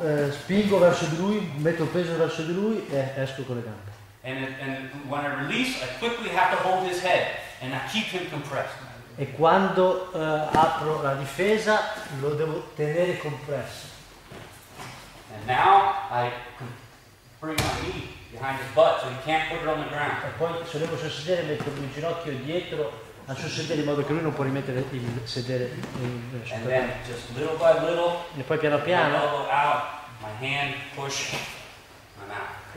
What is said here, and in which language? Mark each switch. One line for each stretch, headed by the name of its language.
Italian: Spingo verso di lui, metto il peso verso di lui e esco con le gambe.
English: And when I release, I quickly have to hold his head and I keep him compressed.
Italian: E quando apro la difesa, lo devo tenere compresso.
English: And now I bring my knee behind his butt so he can't put it on the ground.
Italian: E poi sollevo il suo sedere e metto il ginocchio dietro al suo sedere in modo che lui non può rimettere il sedere in suo sedere.
English: And then just little by little,
Italian: e poi piano piano,
English: my elbow out, my hand push, I'm out.